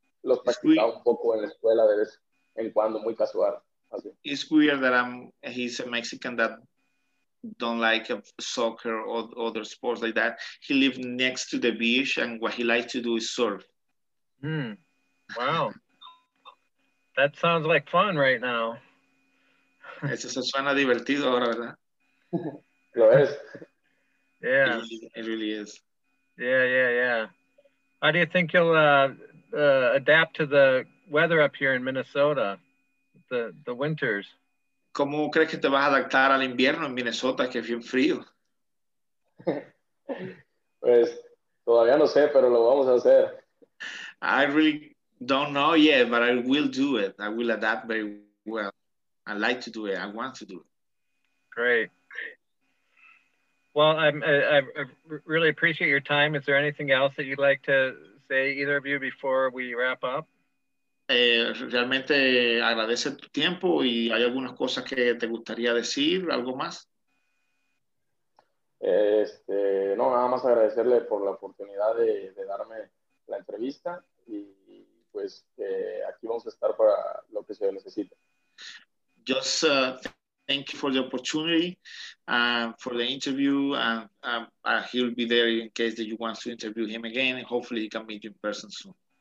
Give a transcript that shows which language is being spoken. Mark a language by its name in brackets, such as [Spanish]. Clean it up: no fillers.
[Spanish] Los practicaba un poco en la escuela de vez en cuando, muy casual. Así. [English] It's weird that he's a Mexican that don't like soccer or other sports like that. He lives next to the beach and what he likes to do is surf. Wow, that sounds like fun right now. [Spanish] Eso suena divertido ahora, ¿verdad? Lo es. [English] Yeah. It really is. Yeah. How do you think you'll adapt to the weather up here in Minnesota, the winters? [Spanish] ¿Cómo crees que te vas a adaptar al invierno en Minnesota, que es bien frío? Pues, todavía no sé, pero lo vamos a hacer. [English] I really... don't know yet, but I will do it. I will adapt very well. I like to do it. I want to do it. Great. Well, I really appreciate your time. Is there anything else that you'd like to say, either of you, before we wrap up? [Spanish] Realmente agradece tu tiempo y hay algunas cosas que te gustaría decir, algo más? No, nada más agradecerle por la oportunidad de darme la entrevista y pues aquí vamos a estar para lo que se necesite. [English] just thank you for the opportunity and for the interview. And he'll be there in case that you want to interview him again. And hopefully he can meet you in person soon.